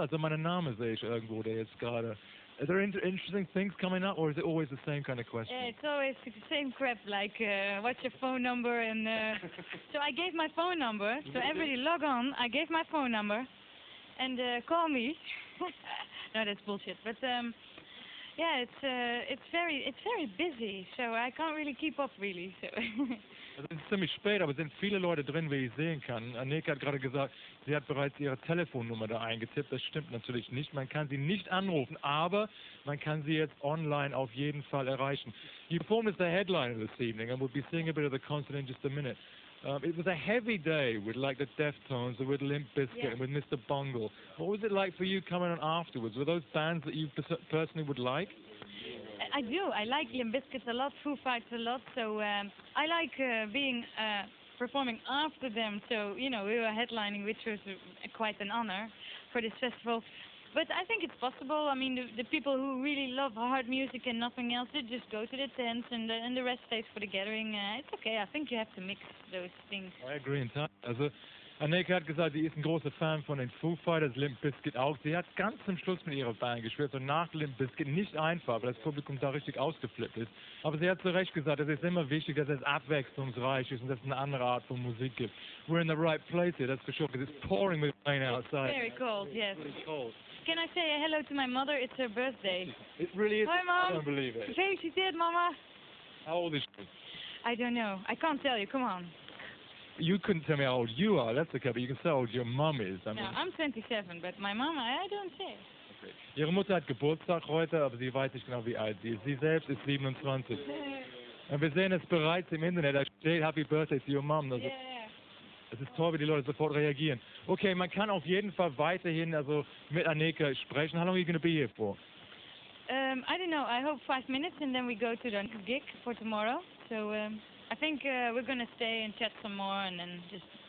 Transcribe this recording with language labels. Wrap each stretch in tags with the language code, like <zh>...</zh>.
<de>Also meinen Namen sehe ich irgendwo, der jetzt gerade.</de> <en>Are there interesting things coming up, or is it always the same kind of question? Yeah, it's always the same crap, like, what's your phone number, and, so I gave my phone number, so everybody log on, I gave my phone number, and, call me. No, that's bullshit, but, yeah, it's very busy, so I can't really keep up, really, so.</en> <de>Es ist ziemlich spät, aber es sind viele Leute drin, wie ich sehen kann. Aneka hat gerade gesagt, sie hat bereits ihre Telefonnummer da eingetippt. Das stimmt natürlich nicht. Man kann sie nicht anrufen, aber man kann sie jetzt online auf jeden Fall erreichen.</de> <en>You performed as the headliner this evening, and we'll be seeing a bit of the concert in just a minute. It was a heavy day with like the Deftones, with Limp Bizkit, yeah, and with Mr. Bungle. What was it like for you coming on afterwards? Were those bands that you personally would like? I do. I like Limp Bizkit a lot, Foo Fighters a lot. So I like being performing after them. So, you know, we were headlining, which was quite an honor for this festival. But I think it's possible. I mean, the people who really love hard music and nothing else, they just go to the tents and the rest stays for the Gathering. It's okay. I think you have to mix those things. I agree entirely.</en> <de>Also, Aneka hat gesagt, sie ist ein großer Fan von den Foo Fighters, Limp Bizkit auch. Sie hat ganz zum Schluss mit ihrer Band gespielt, so nach Limp Bizkit. Nicht einfach, weil das Publikum da richtig ausgeflippt ist. Aber sie hat zu Recht gesagt, es ist immer wichtig, dass es abwechslungsreich ist und dass es eine andere Art von Musik gibt.</de> <en>We're in the right place here, that's for sure, because it's pouring with rain outside. It's very cold, yes. Can I say a hello to my mother? It's her birthday. It really is. Hi, Mom. I don't believe it. Okay, she did, Mama. How old is she? I don't know. I can't tell you. Come on. You couldn't tell me how old you are, that's okay, but you can tell how old your mom is. I mean, no, I'm 27, but my mom, I don't say. Okay.</en> <de>Ihre Mutter hat Geburtstag heute, aber sie weiß nicht genau, wie alt sie ist. Sie selbst ist 27. Und wir sehen es bereits im Internet. Da steht</de> <en>Happy Birthday to your mom. Also, yeah.</en> <de>Es ist toll, wie die Leute sofort reagieren. Okay, man kann auf jeden Fall weiterhin also mit Aneka sprechen.</de> <en>How long are you going to be here for? I don't know. I hope 5 minutes and then we go to the gig for tomorrow. So, I think we're going to stay and chat some more and then just...</en>